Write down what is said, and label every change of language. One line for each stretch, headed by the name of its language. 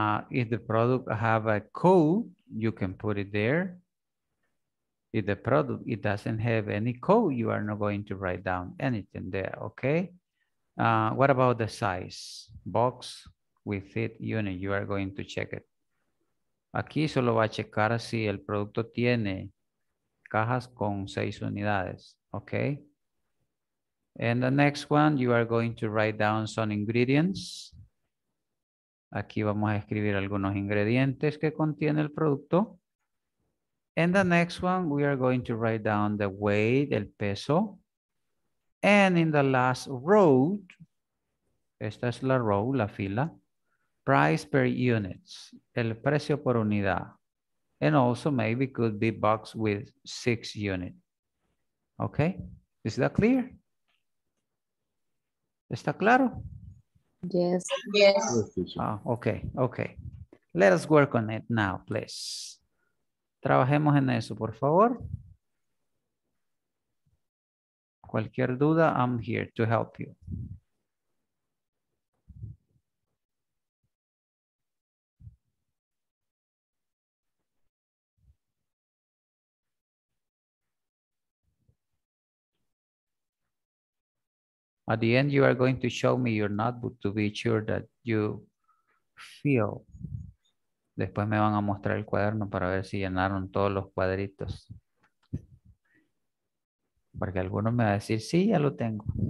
English: If the product have a code, you can put it there. If the product, it doesn't have any code, you are not going to write down anything there, okay? What about the size? Box with it unit, you are going to check it.
Spanish: Aquí solo va a checar si el producto tiene cajas con 6 unidades, okay?
English: And the next one, you are going to write down some ingredients.
Spanish: Aquí vamos a escribir algunos ingredientes que contiene el producto.
English: And the next one, we are going to write down the weight,
Spanish: el peso.
English: And in the last row,
Spanish: esta es la
English: row,
Spanish: la fila,
English: price per units,
Spanish: el precio por unidad.
English: And also maybe could be box with 6 units. Okay, is that clear?
Spanish: ¿Está claro?
English: Yes. Yes. Okay. Let us work on it now, please.
Spanish: Trabajemos en eso, por favor. Cualquier duda,
English: I'm here to help you. At the end, you are going to show me your notebook to be sure that you feel.
Spanish: Después me van a mostrar el cuaderno para ver si llenaron todos los cuadritos. Porque alguno me va a decir, sí, ya lo tengo.